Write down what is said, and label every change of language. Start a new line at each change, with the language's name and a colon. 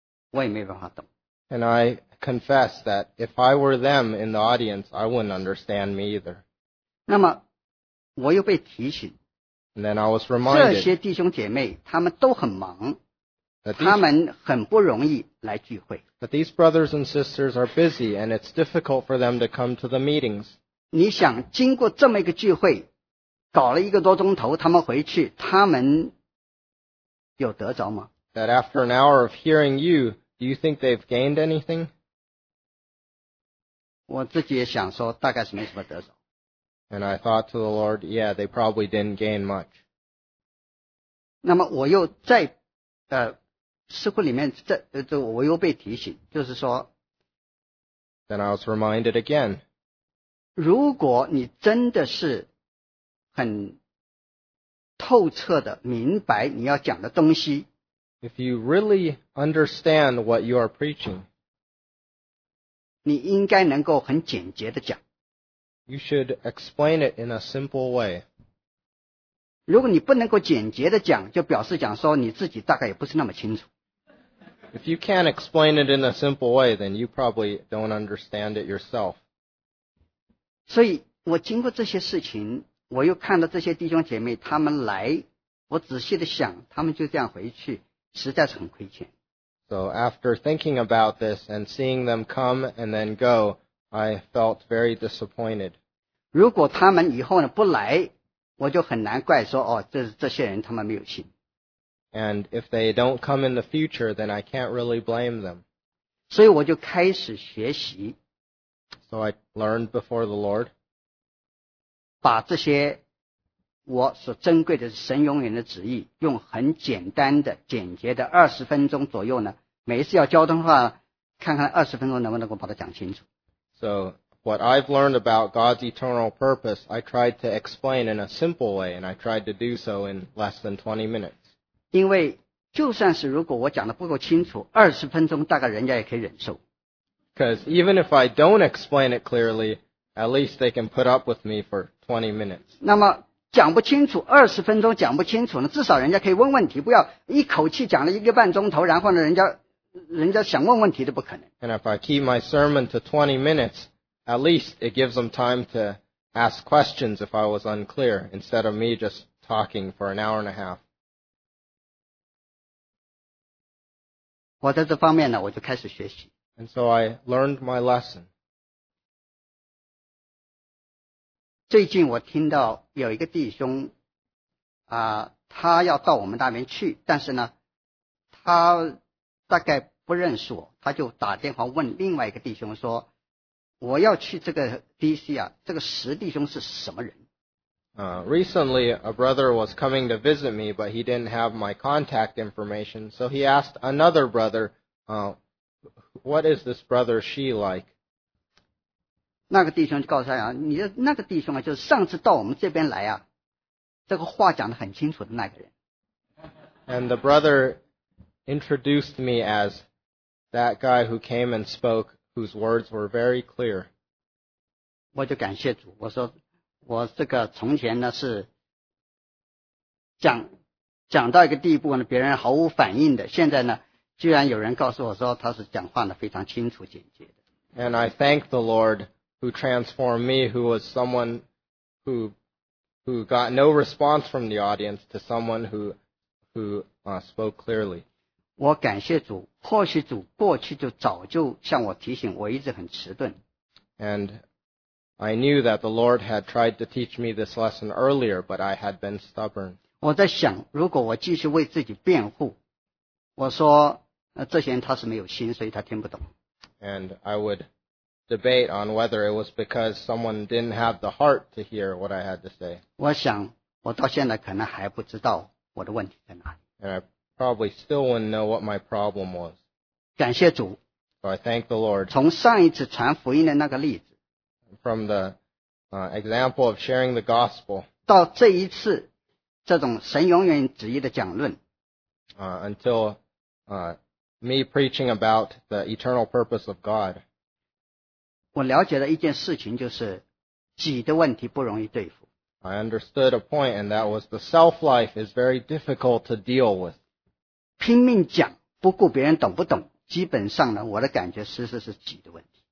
Chinese: 我也没办法懂。
English: And I confess that if I were them in the audience, I wouldn't understand me either.
Chinese: 那么我又被提醒。
English: And then I was reminded.
Chinese: 这些弟兄姐妹他们都很忙。他们很不容易来聚会。
English: But these brothers and sisters are busy and it's difficult for them to come to the meetings.
Chinese: 你想经过这么一个聚会搞了一个多钟头他们回去他们有得着吗？
English: That after an hour of hearing you, do you think they've gained anything?
Chinese: 我自己也想说大概是没什么得着。
English: And I thought to the Lord, yeah, they probably didn't gain much.
Chinese: 那么我又在诗库里面在我又被提醒就是说
English: Then I was reminded again.
Chinese: 如果你真的是很透彻的明白你要讲的东西
English: If you really understand what you are preaching,
Chinese: 你应该能够很简洁的讲。
English: You should explain it in a simple way.
Chinese: 如果你不能够简洁的讲，就表示讲说你自己大概也不是那么清楚。
English: If you can't explain it in a simple way, then you probably don't understand it yourself.
Chinese: 所以我经过这些事情，我又看到这些弟兄姐妹他们来，我仔细的想，他们就这样回去。实在是很亏欠。
English: So after thinking about this and seeing them come and then go, I felt very disappointed.
Chinese: 如果他们以后呢不来，我就很难怪说哦，这些人他们没有信。
English: And if they don't come in the future, then I can't really blame them.
Chinese: 所以我就开始学习。
English: So I learned before the Lord.
Chinese: 把这些。我所珍贵的是神永远的旨意用很简单的简洁的20分钟左右呢每一次要交通的话看看20分钟能不能够把它讲清楚。
English: So, what I've learned about God's eternal purpose, I tried to explain in a simple way, and I tried to do so in less than 20 minutes.
Chinese: 因为就算是如果我讲的不够清楚 ,20 分钟大概人家也可以忍受。
English: Because even if I don't explain it clearly, at least they can put up with me for 20 minutes.
Chinese: 那么讲不清楚二十分钟讲不清楚呢至少人家可以问问题不要一口气讲了一个半钟头然后呢人家想问问题都不可能。
English: And if I keep my sermon to 20 minutes, at least it gives them time to ask questions if I was unclear instead of me just talking for an hour and a half.
Chinese: 我在这方面呢我就开始学习。
English: And so I learned my lesson.
Chinese: 最近我听到有一个弟兄他要到我们那边去但是呢他大概不认识我他就打电话问另外一个弟兄说我要去这个 DC 啊这个十弟兄是什么人
English: Recently, a brother was coming to visit me, but he didn't have my contact information, so he asked another brother, what is this brother she like?
Chinese: 那个弟兄就告诉他你的那个弟兄啊就是上次到我们这边来啊这个话讲得很清楚的那个人。
English: And the brother introduced me as that guy who came and spoke whose words were very clear.
Chinese: 我就感谢主我说我这个从前呢是讲讲到一个地步呢，别人毫无反应的。现在呢，居然有人告诉我说他是讲话呢非常清楚简洁的。
English: And I thank the Lord who transformed me, who was someone who got no response from the audience to someone who spoke clearly.
Chinese: 我感谢主，或许主过去就早就向我提醒，我一直很迟钝。
English: And I knew that the Lord had tried to teach me this lesson earlier, but I had been stubborn.
Chinese: 我在想，如果我继续为自己辩护，我说，这些人他是没有心，所以他听不懂。
English: And I would debate on whether it was because someone didn't have the heart to hear what I had to say.
Chinese: 我想，我到现在可能还不知道我的问题在哪里。
English: And I probably still wouldn't know what my problem was.
Chinese: 感谢主。
English: So I thank the Lord.
Chinese: 从上一次传福音的那个例子。
English: From the example of sharing the gospel.
Chinese: 到这一次这种神永远旨意的讲论。
English: Until me preaching about the eternal purpose of God.
Chinese: 我了解了一件事情，就是己的问题不容易对付。
English: I understood a point, and that was the self-life is very difficult to deal with.
Chinese: 拼命讲，不顾别人懂不懂，基本上呢，我的感觉实是己的问题。